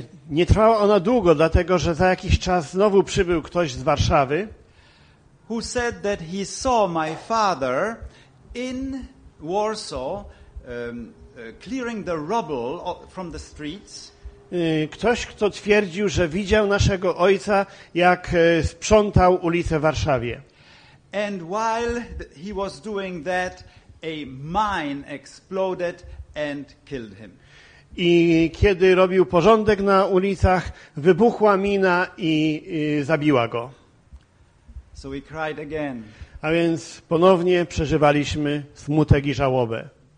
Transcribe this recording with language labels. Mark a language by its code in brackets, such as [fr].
[pl] Nie trwała ona długo, dlatego że za jakiś czas znowu przybył ktoś z Warszawy. [en] Who said that he saw my father in Warsaw clearing the rubble from the streets. [pl] Ktoś, kto twierdził, że widział naszego ojca, jak sprzątał ulicę w Warszawie. [en] And while he was doing that, a mine exploded and killed him. [pl] I kiedy robił porządek na ulicach, wybuchła mina i zabiła go. [en] So we cried again. [pl] A więc ponownie przeżywaliśmy smutek i żałobę.